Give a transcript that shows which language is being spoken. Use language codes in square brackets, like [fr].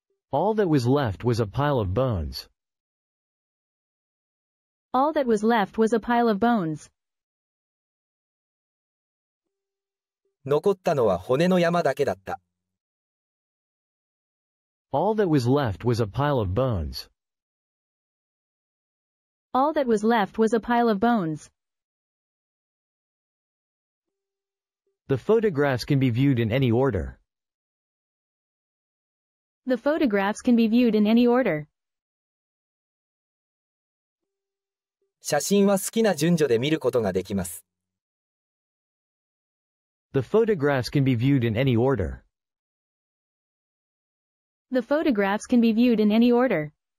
[en] All that was left was a pile of bones. All that was left was a pile of bones. [ja] 残ったのは骨の山だけだった。 [en] All that was left was a pile of bones. All that was left was a pile of bones. The photographs can be viewed in any order. The photographs can be viewed in any order. [ja] 写真は好きな順序で見ることができます。 [en] The photographs can be viewed in any order. The photographs can be viewed in any order.